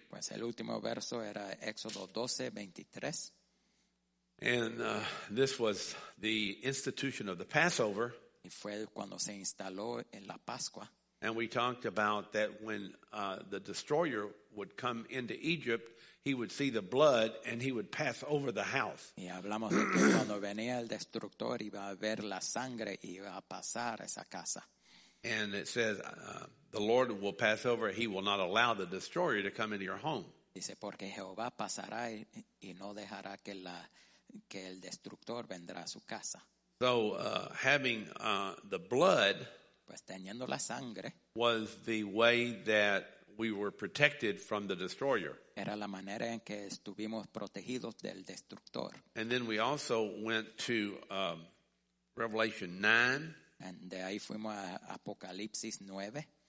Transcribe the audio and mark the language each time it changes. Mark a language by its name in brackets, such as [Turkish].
[Spanish] Pues el último verso era Éxodo 12:23. [English] And this was the institution of the Passover. [Spanish] Y fue cuando se instaló en la Pascua. [English] And we talked about that when the destroyer would come into Egypt, he would see the blood and he would pass over the house. [Spanish] Y hablamos de que cuando venía el destructor iba a ver la sangre y iba a pasar esa casa. [English] And it says, the Lord will pass over, he will not allow the destroyer to come into your home. [Spanish] Dice, porque Jehová pasará y no dejará que el destructor vendrá a su casa. [English] So having the blood, [Spanish] pues teniendo la sangre, [English] was the way that we were protected from the destroyer. [Spanish] Era la manera en que estuvimos protegidos del destructor. [English] And then we also went to Revelation 9. [Spanish] And de ahí fuimos a Apocalipsis 9.